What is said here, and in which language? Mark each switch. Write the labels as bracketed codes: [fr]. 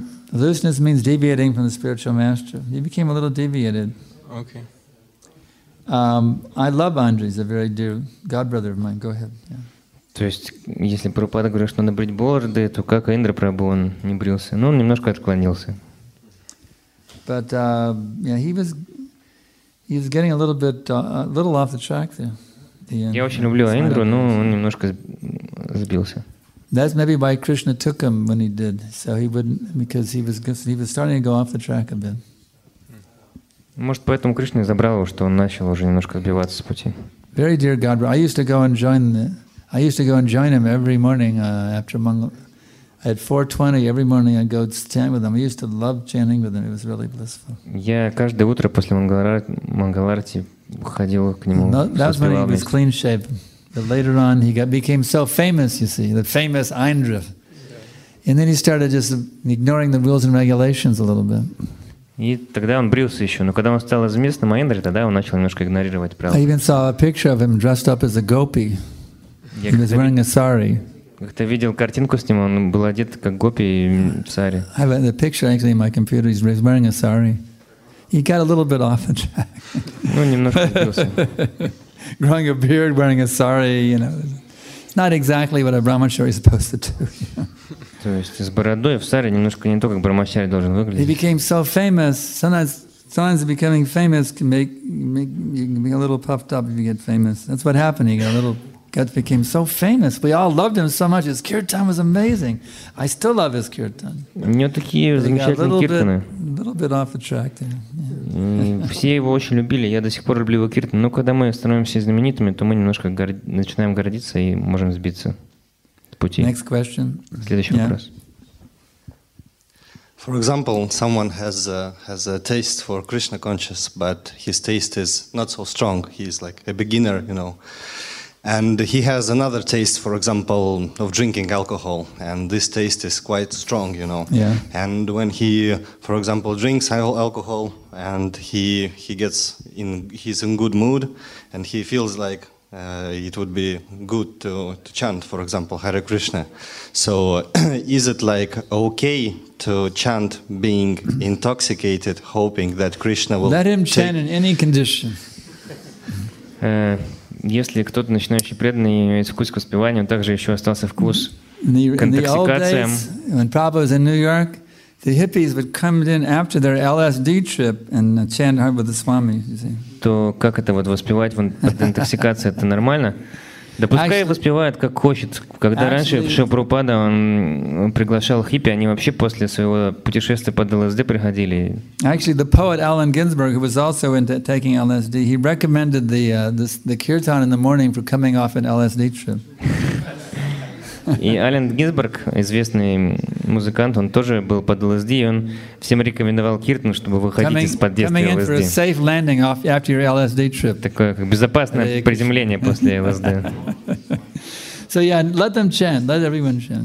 [en] Looseness means deviating from the spiritual master. He became a little deviated. Okay. I love Andrei. He's a very dear godbrother of mine. Go ahead. Yeah. [ru] То есть, если Прабхупада говорит, что надо брить бороды, то как Индра Прабху он не брился? Ну, он немножко отклонился. [en] But yeah, he was. He's getting a little bit, a little off the track there. [ru] Я очень люблю Индру, но он немножко сбился. [en] That's maybe why Krishna took him when he did, so he wouldn't, because he was starting to go off the track a bit. [ru] Может, поэтому Кришна забрал его, что он начал уже немножко сбиваться с пути. [en] Very dear God, I used to go and join him every morning after Mangal. At 4:20 every morning I go stand with him. I used to love chanting with him. It was really blissful. [ru] Я каждое утро после Мангаларти ходил к нему. [en] That's when he was clean shaven. But later on he became so famous, you see, the famous Aindra. And then he started just ignoring the rules and regulations a little bit. [ru] И тогда он брился еще, но когда он стал известным Аиндрой, тогда он начал немножко игнорировать правила. [en] I even saw a picture of him dressed up as a gopi. He was wearing a sari. [ru] Как-то видел картинку с ним, он был одет как гопи и сари. [en] I have the picture actually in my computer. He's wearing a sari. He got a little bit off the track. [ru] Ну, немножко сбился. [en] Growing a beard, wearing a sari, you know, not exactly what a brahmachari is supposed to do. You know? [ru] То есть с бородой в сари немножко не то, как брахмачари должен выглядеть. [en] He became so famous. Sometimes becoming famous can make you can be a little puffed up if you get famous. That's what happened. He got a little. God became so famous. We all loved him so much. His kirtan was amazing. I still love his kirtan. [ru] У него такие замечательные киртаны. [en] A little bit off the track. Yeah. [ru] Все его очень любили. Я до сих пор люблю его киртан. Но когда мы становимся знаменитыми, то мы немножко начинаем гордиться и можем сбиться с пути. [en] Next question. [ru] Следующий вопрос. [en] For example, someone has a taste for Krishna conscious, but his taste is not so strong. He's like a beginner, you know. And he has another taste, for example, of drinking alcohol, and this taste is quite strong, you know. Yeah. And when he, for example, drinks alcohol, and he gets in, he's in good mood, and he feels like it would be good to chant, for example, Hare Krishna. So, is it like okay to chant being intoxicated, hoping that Krishna will let him chant in any condition? [ru] Если кто-то начинающий преданный имеет вкус к воспеванию, также еще остался вкус к интоксикациям. [en] When Prabhupada was in New York, the hippies would come in after their LSD trip and chant with the Swami. [ru] То как это вот воспевать под интоксикацией, это нормально? Да пускай воспевает как хочет. Когда раньше Шри Прабхупада он приглашал хиппи, они вообще после своего путешествия под ЛСД приходили. [en] Actually, the poet Allen Ginsberg, who was also into taking LSD, he recommended the kirtan in the morning for coming off an LSD trip. [ru] И Аллен Гинзберг, известный музыкант, он тоже был под ЛСД, и он всем рекомендовал киртан, чтобы выходить из-под действия ЛСД. [en] Coming in for a safe landing off after your LSD trip. [ru] Такое как безопасное приземление после ЛСД. [en] So yeah, let them chant, let everyone chant.